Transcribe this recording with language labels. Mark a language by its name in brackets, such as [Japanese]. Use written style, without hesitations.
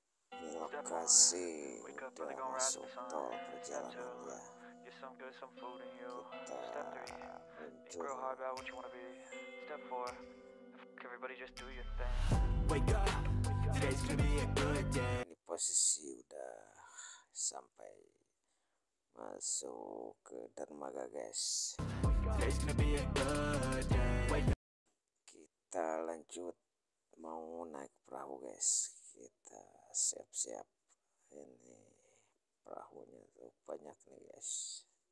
[Indonesian] Ini lokasi udah masuk tol perjalanan ya. [English] Get some good, some food in you. Step 3, think real hard about what you wanna be. Step 4, fuck everybody, just do your thing. Wake up, today's gonna be a good day. [Indonesian] Ini posisi udah sampai masuk ke dermaga guys. [English] Today's gonna be a good day. [Indonesian] Kita lanjut mau naik perahu guys. Kita siap-siap ini. Perahunya tuh banyak nih guys.